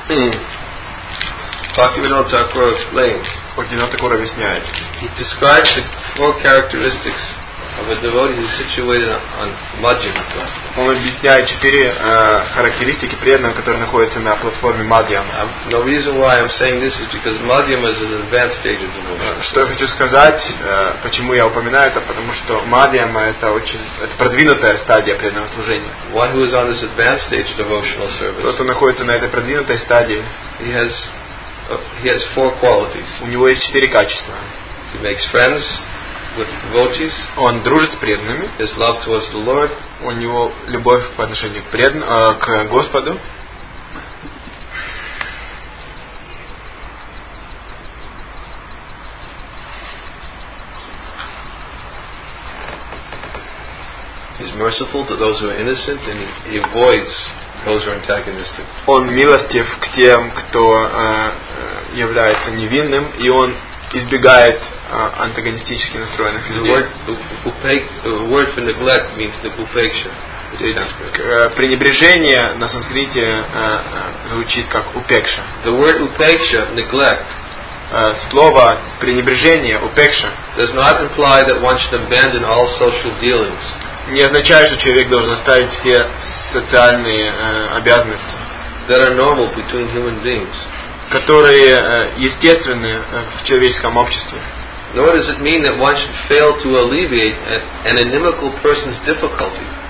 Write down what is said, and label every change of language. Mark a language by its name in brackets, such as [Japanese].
[English] Bhaktivinoda Thakur explains. [Russian] Bhaktivinoda Thakur объясняет. [English] He describes the four characteristics of a devotee who is situated on Madhyama platform. [Russian] Он объясняет четыре характеристики преданного, который находится на платформе Madhyama. [English] The reason why I'm saying this is because Madhyama is an advanced stage of devotion. [Russian] Что я хочу сказать, почему я упоминаю это, потому что Madhyama это очень продвинутая стадия преданного служения. [English] One who is on this advanced stage of devotional service. [Russian] Тот, кто находится на этой продвинутой стадии, [English] he has four qualities. [Russian] У него есть четыре качества. [English] He makes friends with devotees. [Russian] Он дружит с преданными. [English] His love towards the Lord. [Russian] У него любовь по отношению к Господу. [English] He's merciful to those who are innocent, and he avoids those who are antagonistic. [Russian] Он милостив к тем, кто является невинным, и он избегает антагонистически настроенных людей. [English] The word for neglect means neglection. [Russian] Пренебрежение на санскрите звучит как упекша. [English] The word upeksha, neglect, [Russian] слово пренебрежение, упекша, [English] does not imply that one should abandon all social dealings. [Russian] Не означает, что человек должен оставить все социальные обязанности, [English] that are normal between human beings, [Russian] которые естественны в человеческом обществе. [English] Nor does it mean that one should fail to alleviate an inimical person's difficulty.